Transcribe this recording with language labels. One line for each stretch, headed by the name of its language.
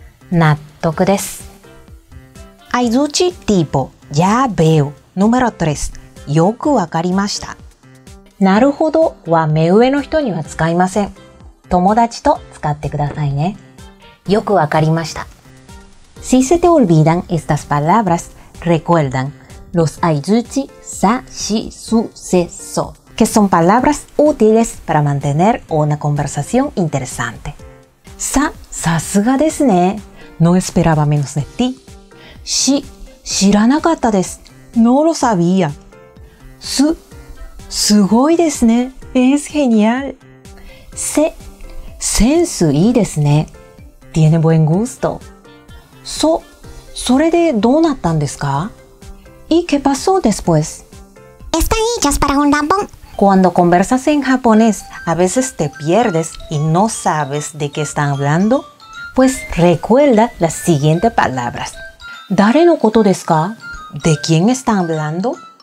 Japanese: 納得です。
Spanish: Aizuchi tipo ya veo. Número 3.
Japanese: よくわかりました。なるほどは目上の人には使いません。友達と使ってくださいね。よくわかりました。
Spanish: Si se te olvidan estas palabras, recuerdan los Aizuchi, sa, si, su, se, so, que son palabras útiles para mantener una conversación interesante. Sa,
Japanese: さすがですね。
Spanish: No esperaba menos de ti.
Japanese: Si, 知らなかったです。
Spanish: No lo sabía. Su,
Japanese: すごいですね。
Spanish: Es genial. Se,
Japanese: センスいいですね。
Spanish: Tiene buen gusto. So,
Japanese: それでどうなったんですか？
Spanish: ¿Y qué pasó después? Están ellas para un lampón. Cuando conversas en japonés, a veces te pierdes y no sabes de qué están hablando. Pues recuerda las siguientes palabras.
Japanese: ¿Dare no koto desu ka?
Spanish: ¿De quién están hablando?